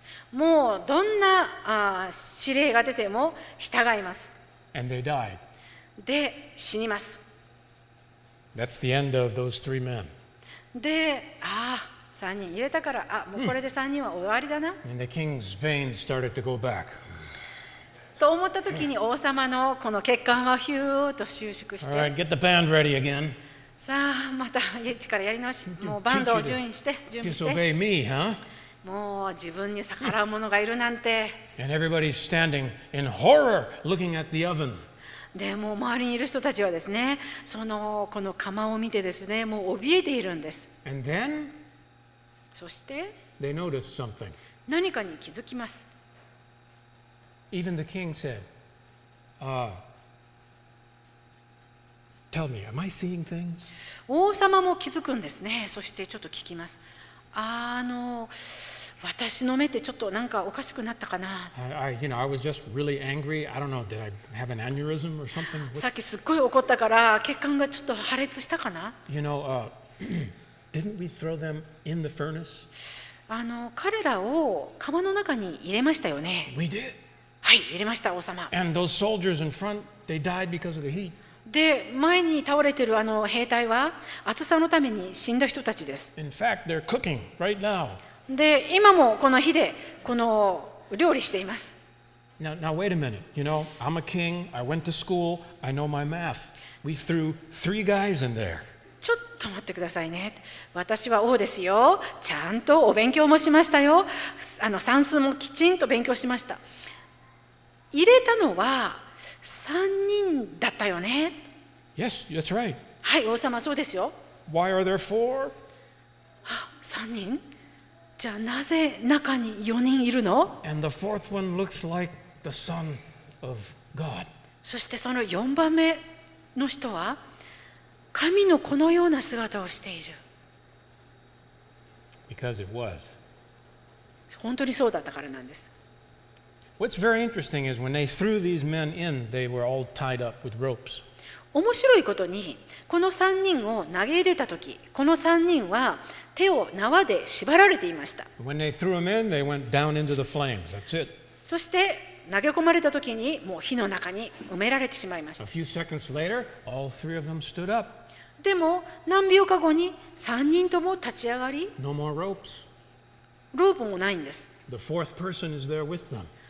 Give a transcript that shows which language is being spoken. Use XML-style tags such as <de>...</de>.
<ja>もうどんな指令が出ても従います。</ja> <en>And they died.</en> <ja>で、死にます。</ja> <en>That's the end of those three men.</en> <ja>で、ああ、3人入れたから、あもうこれで3人は終わりだな。</ja> <en>And the king's veins started to go back.</en> <ja>と思った時に王様のこの血管はヒューッと収縮して。</ja> <en>All right, get the band ready again.</en> <ja>さあ、また一からやり直し、もうバンドを順位して、準備して。</ja> <en>Disobey me, huh?</en> <ja>もう自分に逆らう者がいるなんて。</ja> <en>And everybody's standing in horror looking at the oven.</en> <ja>でも周りにいる人たちはですね、そのこの釜を見てですね、もう怯えているんです。</ja> <en>And then,</en> <ja>そして、</ja> <en>they notice something.</en> <ja>何かに気づきます。</ja> <en>Even the king said, tell me, am I seeing things?</en> <ja>王様も気づくんですね。そしてちょっと聞きます。私の目ってちょっとなんかおかしくなったかな。さっきすっごい怒ったから血管がちょっと破裂したかな。</ja> <en>You know, didn't we throw them in the furnace?</en> <ja>彼らを釜の中に入れましたよね。</ja> <en>We did.</en> <ja>ははい、入れました、王様。</ja> <en>And those soldiers in front, they died because of the heat.</en> <ja>で、前に倒れてるあの兵隊は暑さのために死んだ人たちです。</ja> <en>In fact, they're cooking right now.</en> <ja>で、今もこの火でこの料理しています。</ja> <en>Now wait a minute. You know, I'm a king. I went to school. I know my math. We threw three guys in there.</en> <ja>ちょっと待ってくださいね。私は王ですよ。ちゃんとお勉強もしましたよ。あの算数もきちんと勉強しました。入れたのは3人だったよね。</ja> <en>Yes, that's right.</en> <ja>はい、王様そうですよ。</ja> <en>Why are there four?</en> <ja>3人? じゃあなぜ中に4人いるの?</ja> <en>And the fourth one looks like the son of God.</en> <ja>そしてその4番目の人は神のこのような姿をしている。</ja> <en>Because it was.</en> <ja>本当にそうだったからなんです。</ja> <en>What's very interesting is when they threw these men in, they were all tied up with ropes.</en> <ja>面白いことに、この3人を投げ入れたとき、この3人は手を縄で縛られていました。</ja> <en>When they threw them in, they went down into the flames. That's it.</en> <ja>そして投げ込まれたときにもう火の中に埋められてしまいました。</ja> <en>A few seconds later, all three of them stood up.</en> <ja>でも何秒か後に3人とも立ち上がり、</ja> <en>No more ropes.</en> <ja>ロープもないんです。</ja> <en>The fourth person is there with them.</en>